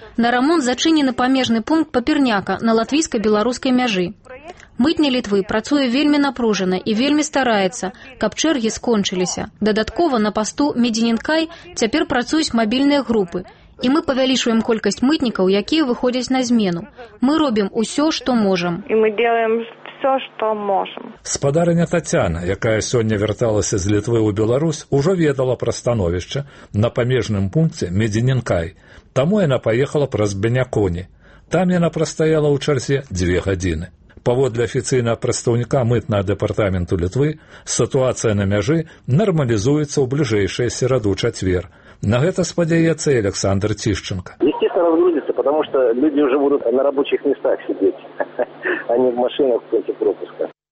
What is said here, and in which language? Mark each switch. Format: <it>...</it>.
<be>На рамонт зачынены памежны пункт Паперняка на латвійска-беларускай мяжы. Мытня Літвы працуе вельмі напружана і вельмі стараецца, каб чэргі скончыліся. Дадаткова на пасту Медзянінкай цяпер працуюць мабільныя групы. І мы павялічваем колькасць мытнікаў, якія выходзяць на змену. Мы робім усё, што можам.</be> <ru>І мы делаем все, что можем.</ru> <be>Спадарыня Татьяна, якая сёння вярталася з Літвы ў Беларусь, ужо ведала пра становішча на памежным пункце Медзянінкай. Таму яна паехала праз Беняконі. Там яна прастаяла ў чарзе 2 гадзіны. Паводле афіцыйнага прадстаўніка мытнага дэпартаменту Літвы, сітуацыя на мяжы нармалізуецца ў бліжэйшыя сераду-чацвер. На гэта спадзяецца Аляксандр Цішчэнка.</be> <ru>Естественно, разгрузится, потому что люди уже будут на рабочих местах сидеть, а не в машинах против пропуска.</ru>